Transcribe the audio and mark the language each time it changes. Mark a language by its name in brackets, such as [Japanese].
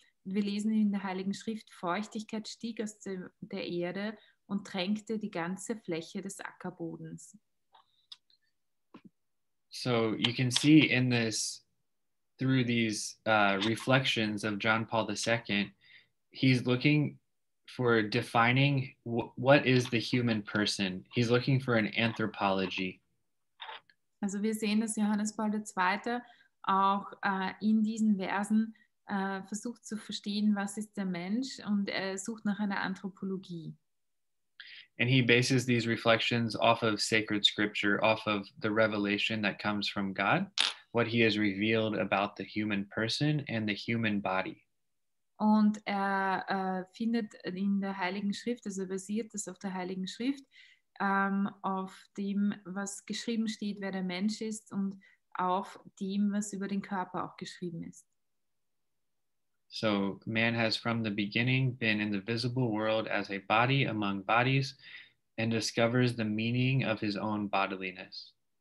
[German] Wir lesen in der Heiligen Schrift, Feuchtigkeit stieg aus der Erde und tränkte die ganze Fläche des Ackerbodens. [English] So you can see in this, through these reflections of John Paul II, he's looking for defining what is the human person. He's looking for an anthropology. [German] Also wir sehen, dass Johannes Paul II. Auch in diesen Versen versucht zu verstehen, was ist der Mensch, und er sucht nach einer Anthropologie. [English] And he bases these reflections off of sacred scripture, off of the revelation that comes from God, what he has revealed about the human person and the human body. [German] Und er findet in der Heiligen Schrift, also basiert es auf der Heiligen Schrift, auf dem, was geschrieben steht, wer der Mensch ist, und auf dem, was über den Körper auch geschrieben ist. [English] So man has from the beginning been in the visible world as a body among bodies and discovers the meaning of his own bodiliness.